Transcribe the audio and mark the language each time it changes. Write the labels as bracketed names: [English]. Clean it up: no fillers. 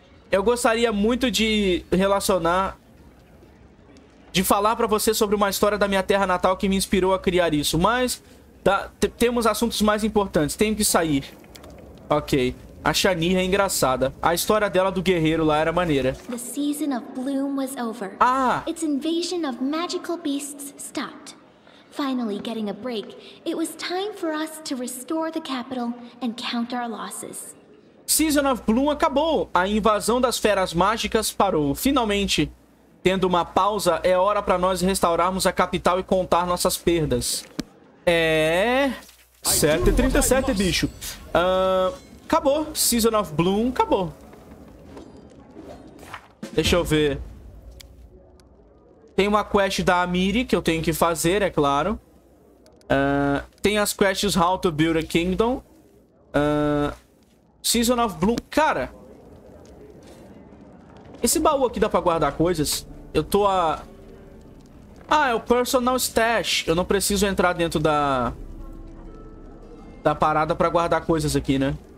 [Portuguese] Eu gostaria muito de relacionar... De falar pra você sobre uma história da minha terra natal que me inspirou a criar isso. Mas temos assuntos mais importantes. Tenho que sair. Ok. A Shaniha é engraçada. A história dela do guerreiro lá era maneira. [English] The season of bloom was over. Ah! Its invasion of magical beasts stopped. Finally getting a break, it was time for us to restore the capital and count our losses. [Portuguese] Season of Bloom acabou. A invasão das feras mágicas parou. Finalmente, tendo uma pausa, é hora para nós restaurarmos a capital e contar nossas perdas. É... 7h37, bicho. Acabou. Season of Bloom acabou. Deixa eu ver. Tem uma quest da Amiri que eu tenho que fazer, é claro. Tem as quests How to Build a Kingdom. Season of Bloom. Cara! Esse baú aqui dá pra guardar coisas? Eu tô a... Ah, é o Personal Stash. Eu não preciso entrar dentro da... Da parada pra guardar coisas aqui, né?